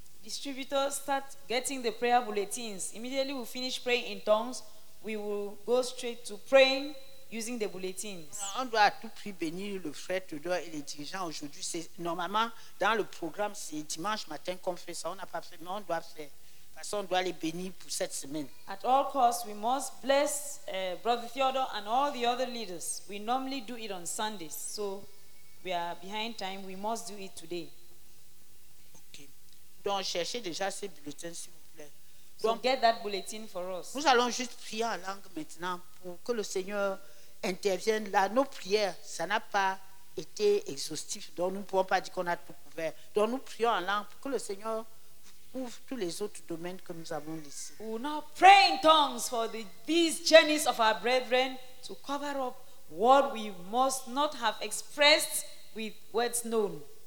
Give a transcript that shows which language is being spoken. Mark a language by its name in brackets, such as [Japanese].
[English] Distributors, start getting the prayer bulletins. Immediately we finish praying in tongues, we will go straight to praying using the bulletins. [French] On doit à tout prix bénir le frère Tudor et les dirigeants aujourd'hui. C'est normalement dans le programme, c'est dimanche matin qu'on fait ça. On n'a pas fait, mais on doit faire. façon, on doit les bénir pour cette semaine. [English] At all costs, we must bless Brother Theodore and all the other leaders. We normally do it on Sundays, so we are behind time. We must do it today. Ok. [French] Donc, cherchez déjà ces bulletins, s'il vous plaît. [English] Donc, so get that bulletin for us. [French] Nous allons juste prier en langue maintenant pour que le Seigneur intervienne là. Nos prières, ça n'a pas été exhaustif, donc nous ne pouvons pas dire qu'on a tout couvert. Donc, nous prions en langue pour que le Seigneur ouvre tous les autres domaines que nous avons laissés. [English] We now pray in tongues for these journeys of our brethren to cover up what we must not have expressed with words known.